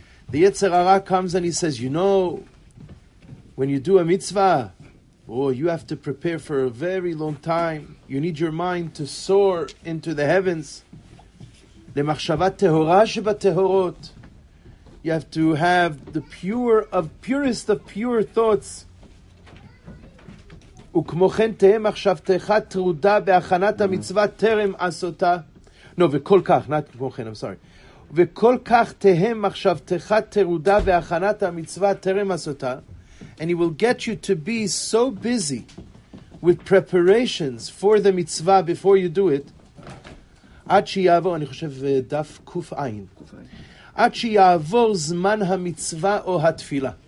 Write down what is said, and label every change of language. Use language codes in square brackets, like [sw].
[en] The Yetzer Hara comes and he says, you know, when you do a mitzvah, oh, you have to prepare for a very long time. You need your mind to soar into the heavens. [he] Lemachshavat tehora shebatehorot. [en] You have to have the pure of purest of pure thoughts. [he] וכמוכן תהיה מחשבתך תרודה בהכנת המצווה טרם עשותה. [en] No, [he] וכל כך, [en] not כמוכן, I'm sorry. [he] וכל כך תהיה מחשבתך תרודה בהכנת המצווה טרם עשותה. [en] And he will get you to be so busy with preparations for the mitzvah before you do it. [he] עד שיעבור, אני חושב, דף קוף עין. עד שיעבור זמן המצווה או התפילה.